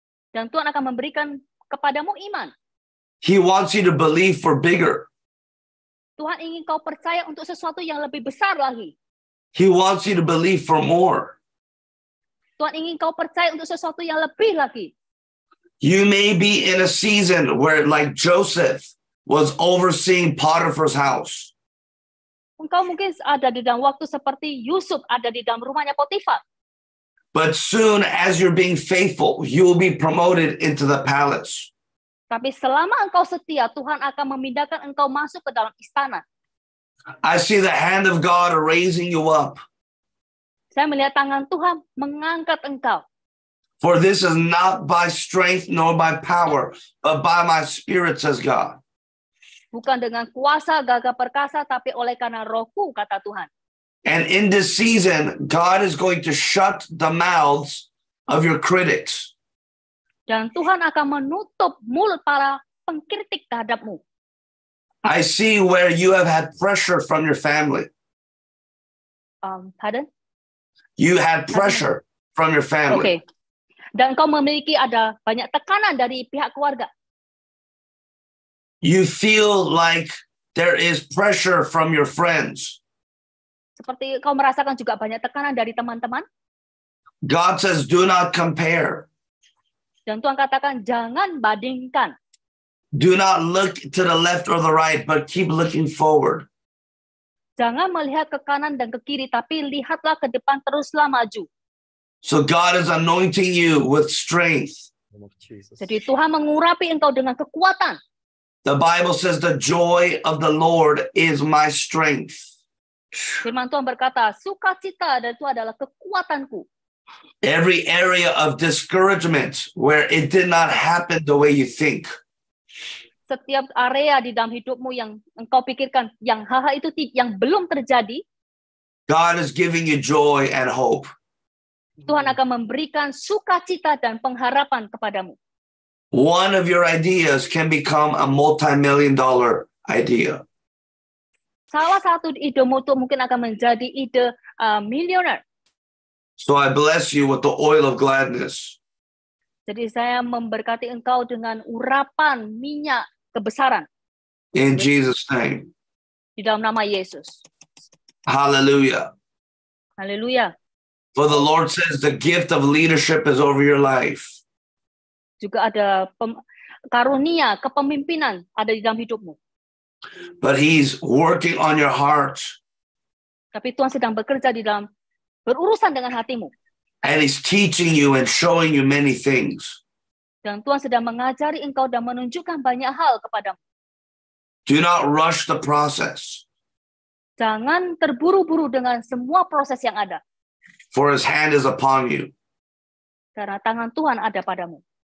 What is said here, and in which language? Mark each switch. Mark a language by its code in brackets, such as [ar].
[id] Dan Tuhan akan memberikan kepadamu iman. [en] He wants you to believe for bigger. [id] Tuhan ingin kau percaya untuk sesuatu yang lebih besar lagi. [en] He wants you to believe for more. [id] Tuhan ingin kau percaya untuk sesuatu yang lebih lagi. [en] You may be in a season where, like Joseph, was overseeing Potiphar's house. [id] Engkau mungkin ada di dalam waktu seperti Yusuf ada di dalam rumahnya Potifar. [en] But soon, as you're being faithful, you will be promoted into the palace. [id] Tapi selama engkau setia, Tuhan akan memindahkan engkau masuk ke dalam istana. [en] I see the hand of God raising you up. [id] Saya melihat tangan Tuhan mengangkat engkau. [en] For this is not by strength nor by power, but by my spirit, says God. [id] Bukan dengan kuasa gagah perkasa, tapi oleh karena Roh-Ku, kata Tuhan. [en] And in this season, God is going to shut the mouths of your critics. [id] Dan Tuhan akan menutup mulut para pengkritik terhadapmu. [en] I see where you have had pressure from your family. Pardon? You had pressure from your family. Okay. [id] Dan kau memiliki ada banyak tekanan dari pihak keluarga. [en] You feel like there is pressure from your friends. [id] Seperti kau merasakan juga banyak tekanan dari teman-teman. [en] God says, do not compare. [id] Dan Tuhan katakan, jangan bandingkan. [en] Do not look to the left or the right, but keep looking forward. [id] Jangan melihat ke kanan dan ke kiri, tapi lihatlah ke depan, teruslah maju. [en] So God is anointing you with strength. [id] Jadi Tuhan mengurapi engkau dengan kekuatan. [en] The Bible says the joy of the Lord is my strength. [id] Firman Tuhan berkata, sukacita dari Tuhan adalah kekuatanku. [en] Every area of discouragement where it did not happen the way you think. [id] Setiap area di dalam hidupmu yang engkau pikirkan yang hal-hal itu yang belum terjadi. [en] God is giving you joy and hope. [id] Tuhan akan memberikan sukacita dan pengharapan kepadamu. [en] One of your ideas can become a multi-million dollar idea. [id] Salah satu idemu itu mungkin akan menjadi ide miliuner. [en] So I bless you with the oil of gladness. [id] Jadi saya memberkati engkau dengan urapan minyak kebesaran. [en] In Jesus' name. [id] Di dalam nama Yesus. [en] Hallelujah. [id] Hallelujah. [en] For the Lord says the gift of leadership is over your life. [id] Juga ada karunia kepemimpinan ada di dalam hidupmu. [en] But he's working on your heart. [id] Tapi Tuhan sedang bekerja di dalam berurusan dengan hatimu. [en] And he's teaching you and showing you many things. [id] Dan Tuhan sedang mengajari engkau dan menunjukkan banyak hal kepadamu. [en] Do not rush the process. [id] Jangan terburu-buru dengan semua proses yang ada. [en] For his hand is upon you. [id] Karena tangan Tuhan ada padamu.